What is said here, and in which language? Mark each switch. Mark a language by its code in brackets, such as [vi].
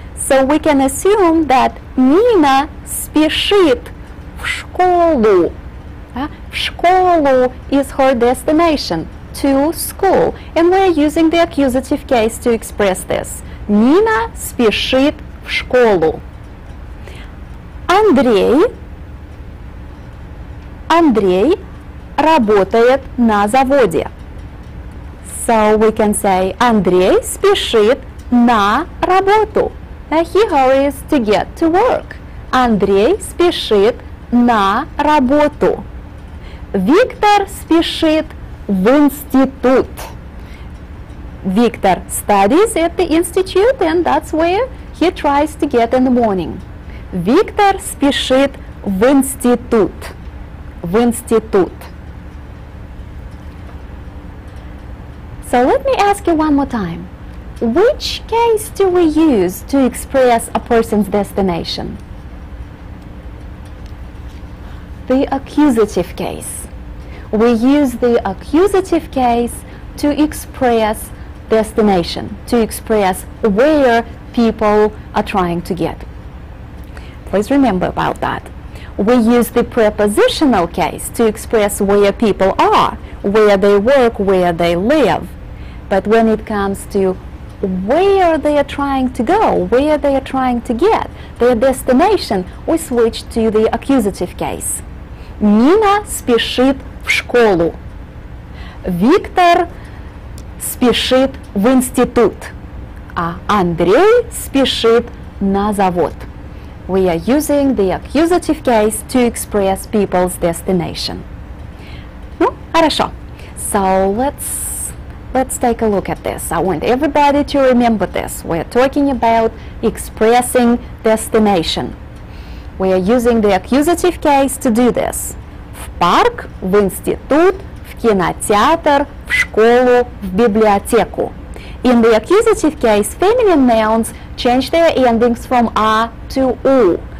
[en] So we can assume that Nina [ru] спешит в школу. В школу [en] is her destination, to school. And we're using the accusative case to express this. [ru] Nina спешит в школу. Андрей работает на заводе. So we can say Андрей спешит на работу. [en] He hurries to get to work. [ru] Андрей спешит на работу. Виктор спешит в институт. [en] Виктор studies at the institute, and that's where he tries to get in the morning. [ru] Виктор спешит в институт. В институт. [en] So let me ask you one more time. Which case do we use to express a person's destination? The accusative case. We use the accusative case to express destination, to express where people are trying to get. Please remember about that. We use the prepositional case to express where people are, where they work, where they live. But when it comes to where they are trying to go, where they are trying to get, their destination, we switch to the accusative case. [ru] Нина спешит в школу. Виктор спешит в институт. А Андрей спешит на завод. [en] We are using the accusative case to express people's destination. [ru] Ну, хорошо. [en] So let's take a look at this. I want everybody to remember this. We're talking about expressing destination. We are using the accusative case to do this. [ru] В парк, в институт, в кинотеатр, в школу, в библиотеку. [en] In the accusative case, feminine nouns change their endings from a to u.